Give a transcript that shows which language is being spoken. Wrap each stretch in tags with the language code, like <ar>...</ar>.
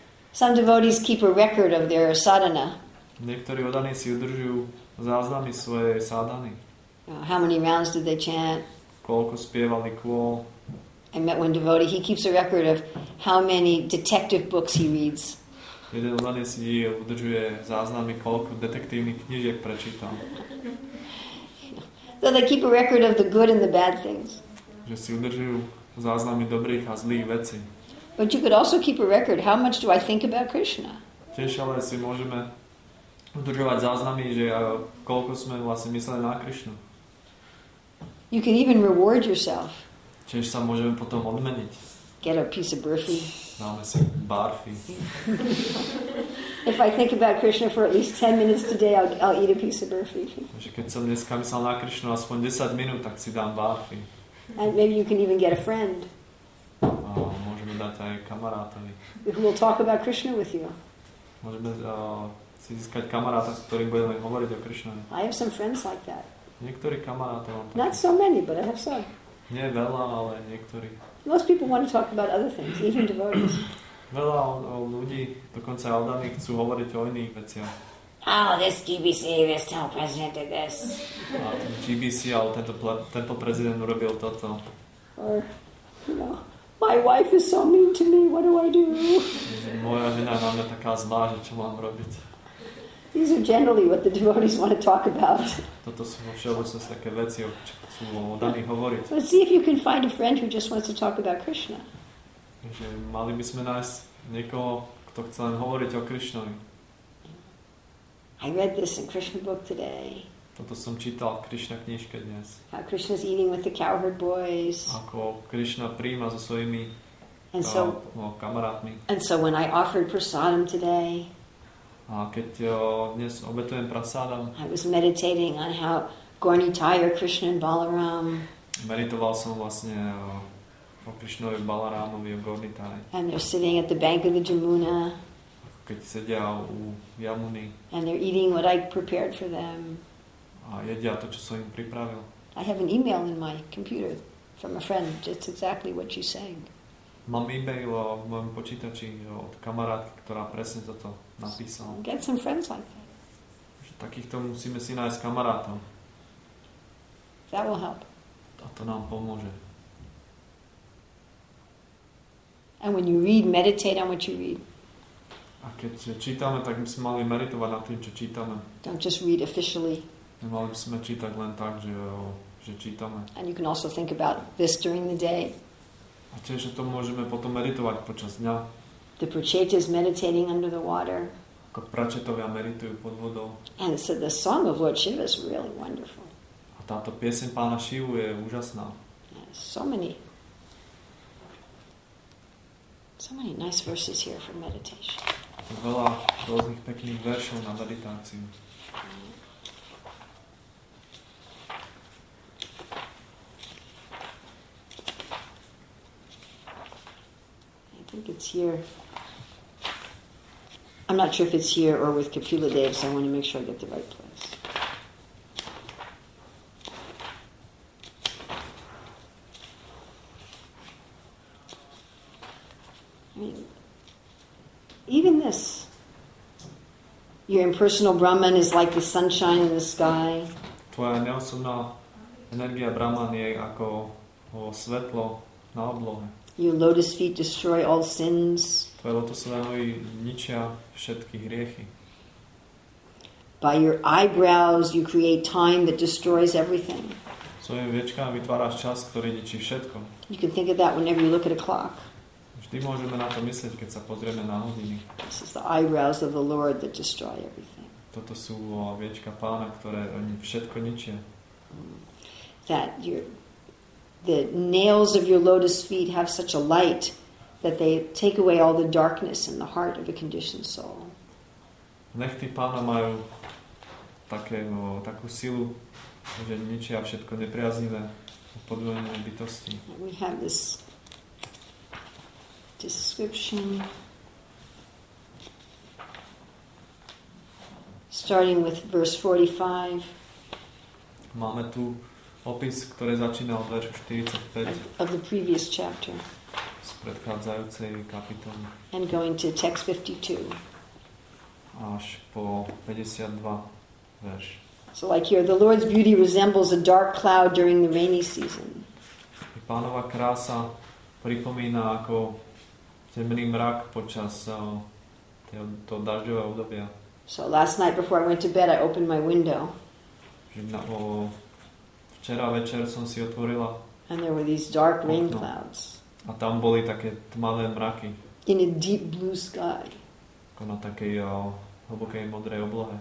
<en>Some devotees keep a record of their sadhana.</en> <sk>Niektorí oddaní si udržujú záznamy svojej sadhany.</sk> <en>How many rounds did they chant?</en> <sk>Koľko spievali kôl?</sk> <en>I met one devotee. He keeps a record of how many detective books he reads.</en> <sk>Jeden oddaný si udržuje záznamy, koľko detektívnych knižiek prečítal.</sk> <en>So they keep a record of the good and the bad things.</en> <sk>Že si udržujú záznamy dobrých a zlých vecí.</sk> <en>But you could also keep a record. How much do I think about Krishna?</en> <sk>Tiež ale si môžeme udržovať záznamy, že koľko sme vlastne mysleli na Krishnu.</sk> <en>You can even reward yourself.</en> <sk>Čiže sa môžeme potom odmeniť.</sk> <en>Get a piece of barfi.</en> <sk>Dáme si barfi.</sk> <en>If I think about Krishna for at least 10 minutes today, I'll eat a piece of barfi.</en> <sk>Takže keď som dneska myslel na Krishnu aspoň 10 minút, tak si dám barfi.</sk> <en>And maybe you can even get a friend.</en> <sk>A môžeme dať aj kamarátovi.</sk> <en>Who will talk about Krishna with you.</en> <sk>Môžeme si získať kamaráta, s ktorým budeme hovoriť o Krishnovi.</sk> <en>I have some friends like that.</en> <sk>Niektorí kamaráti mám.</sk> <en>Not so many, but I have some.</en> <sk>Nie veľa, ale niektorí.</sk> <en>Most people want to talk about other things, even devotees.</en> <sk>Veľa ľudí, dokonca oddaní, chcú hovoriť o iných veciach.</sk> <en>Oh, this GBC, this temple president did this.</en> <sk>A GBC, ale tento prezident urobil toto.</sk> <en>Or, my wife is so mean to me, what do I do?</en> <sk>Moja žena na mňa taká zlá, že čo mám robiť.</sk> <en>These are generally what the devotees want to talk about.</en> <sk>Toto sú vo všeobecnosti také veci, o čo chcú oddaní hovoriť.</sk> <en>Let's see if you can find a friend who just wants to talk about Krishna.</en> <sk>Takže mali by sme nájsť niekoho, kto chce len hovoriť o Krishnovi.</sk> <en>I read this in Krishna book today.</en> <sk>Toto som čítal v Krishna knižke dnes.</sk> <en>How Krishna's eating with the cowherd boys.</en> <sk>Ako Krishna prijíma so svojimi</sk> <en>And so,</en> <sk>kamarátmi.</sk> <en>And so when I offered prasadam today,</en> <sk>a keď dnes obetujem prasadam,</sk> <en>I was meditating on how Gorni Tyre, Krishna and Balaram,</en> <sk>meditoval som vlastne o Krishnovi, Balarámovi, o Gorni Tyre.</sk> <en>And they're sitting at the bank of the Jamuna.</en> <sk>Keď sedia u Jamuny.</sk> <en>And they're eating what I prepared for them.</en> <sk>A jedia to, čo som im pripravil.</sk> <en>I have an email in my computer from a friend. It's exactly what she's saying.</en> <sk>Mám e-mail v mojom počítači od kamarátky, ktorá presne toto napísala.</sk> <en>Get some friends like that.</en> <sk>Takýchto musíme si nájsť kamarátov.</sk> <en>That will help.</en> <sk>A to nám pomôže.</sk> <en>And when you read, meditate on what you read.</en> <sk>A keď čítame, tak by sme mali meditovať na tým, čo čítame.</sk> <en>Don't just read officially.</en> <sk>Nemali by sme čítať len tak, že čítame.</sk> <en>And you can also think about this during the day.</en> <sk>A tiež o tom môžeme potom meditovať počas dňa.</sk> <en>The Pracheta is meditating under the water.</en> <sk>Ako Pracetovia meditujú pod vodou.</sk> <en>And so the song of Lord Shiva is really wonderful.</en> <sk>A táto pieseň pána Šivu je úžasná.</sk> <en>So many nice verses here for meditation.</en> <sk>Je veľa rôznych pekných veršov na meditáciu.</sk> <en>It's here. I'm not sure if it's here or with Kapila Dev, so I want to make sure I get the right place. I mean, even this, your impersonal Brahman is like the sunshine in the sky.</en> <sk>Tvoja neosobná energia Brahman je ako svetlo na oblohe.</sk> <en>Your lotus feet destroy all sins.</en> <sk>Tvoje lotosové nohy ničia všetky hriechy.</sk> <en>By your eyebrows you create time that destroys everything.</en> <sk>Svojimi viečkami vytváraš čas, ktorý ničí všetko.</sk> <en>You can think of that whenever you look at a clock.</en> <sk>Vždy môžeme na to myslieť, keď sa pozrieme na hodiny.</sk> <en>This is the eyebrows of the Lord that destroy everything.</en> <sk>Toto sú viečka pána, ktoré oni všetko ničia.</sk> <en>That your the nails of your lotus feet have such a light that they take away all the darkness in the heart of a conditioned soul.</en> <sk>Nechty pána majú takú silu, že ničia všetko nepriaznivé podvedené bytosti.</sk> <en>We have this description starting with verse 45.</en> <sk>Máme tu opis, ktorý začína od veršu 45</sk> <en>of the previous chapter,</en> <sk>z predchádzajúcej kapitoly,</sk> <en>and going to text 52,</en> <sk>až po 52 verš.</sk> <en>So like here, the Lord's beauty resembles a dark cloud during the rainy season.</en> <sk>Pánova krása pripomína ako temný mrak počas toho dažďového obdobia.</sk> <en>So last night before I went to bed, I opened my window.</en> <sk>Včera večer som si otvorila.</sk> <en>And there were these dark rain clouds.</en> <sk>A tam boli také tmavé mraky.</sk> <en>In a deep blue sky.</en> <sk>Ako na takej hlbokej modrej oblohe.</sk>